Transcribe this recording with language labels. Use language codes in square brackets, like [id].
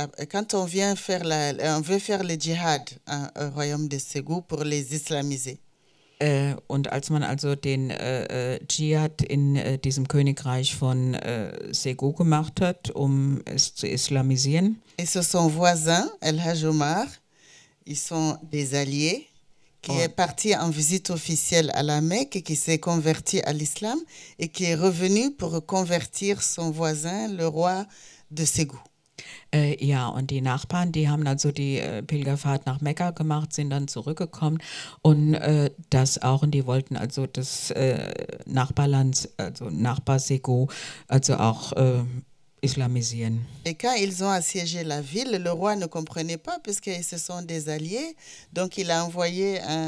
[fr] Quand on vient faire on veut faire le Dschihad au Royaume de Ségou pour les islamiser. [de] Und als man also den Dschihad in diesem Königreich von Ségou gemacht hat, um es zu islamisieren. [fr] Et ce sont voisins, El Hadj Omar, ils sont des alliés, qui est parti en visite officielle à la Mecque et qui s'est converti à l'islam et qui est revenu pour convertir son voisin, le roi de Ségou. [de] Ja, und die Nachbarn, die haben also die Pilgerfahrt nach Mekka gemacht, sind dann zurückgekommen und das auch, und die wollten also das Nachbarland, also Nachbar-Ségou, also auch islamisieren. [fr] Et quand ils ont assiégé la ville, le roi ne comprenait pas, puisque ce sont des alliés, donc il a envoyé